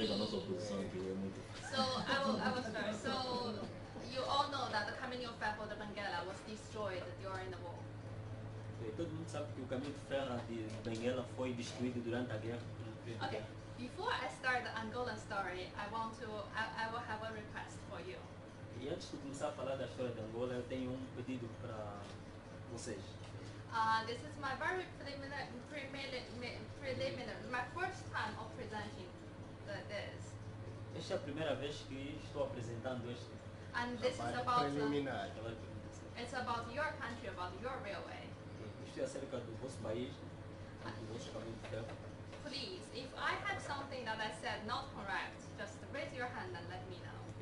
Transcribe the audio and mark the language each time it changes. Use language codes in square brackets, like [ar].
[en] So you all know that the Caminho de Ferro de Benguela was destroyed during the war. [pt] Okay, todo mundo sabe que o Caminho de Ferro de Benguela foi destruído durante a guerra. [en] Okay, before I start the Angolan story, I will have a request for you. [pt] E antes de começar a falar da história de Angola, eu tenho um pedido para vocês. [en] This is my very preliminary, my first time of presenting this. [pt] Esta é a primeira vez que estou apresentando este. [en] And this is about [pt] preliminar. [en] It's about your country, about your railway. [pt] Isto é acerca do vosso país, do vosso caminho de ferro. [en] Please, if I have something that I said not correct, just raise your hand and let me know.